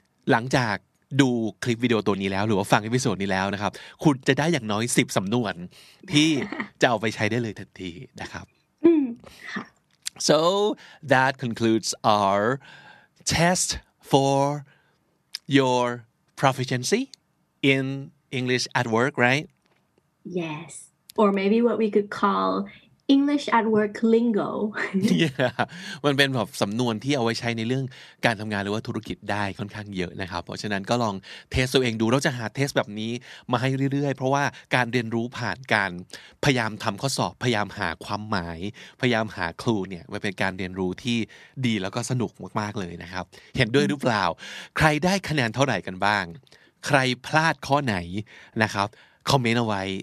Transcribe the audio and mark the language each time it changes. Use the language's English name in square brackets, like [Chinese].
[Thai] หลังจากดูคลิปวิดีโอตัวนี้แล้วหรือว่าฟังเอพิโซดนี้แล้วนะครับคุณจะได้อย่างน้อย10สำนวนที่จะเอาไปใช้ได้เลยทันทีนะครับ [English] So that concludes our test for your proficiency in English at work, right? Yes. Or maybe what we could call English at work lingo. [Thai] Yeah. มันเป็นแบบสำนวนที่เอาไว้ใช้ในเรื่องการทำงานหรือว่าธุรกิจได้ค่อนข้างเยอะนะครับเพราะฉะนั้นก็ลองเทสตัวเองดูเราจะหาเทสแบบนี้มาให้เรื่อยๆเพราะว่าการเรียนรู้ผ่านการพยายามทำข้อสอบพยายามหาความหมายพยายามหาครูเนี่ยมันเป็นการเรียนรู้ที่ดีแล้วก็สนุกมากๆเลยนะครับเห็นด้วยหรือเปล่าใครได้คะแนนเท่าไหร่กันบ้างใครพลาดข้อไหนนะครับคอมเมนต์เอาไว้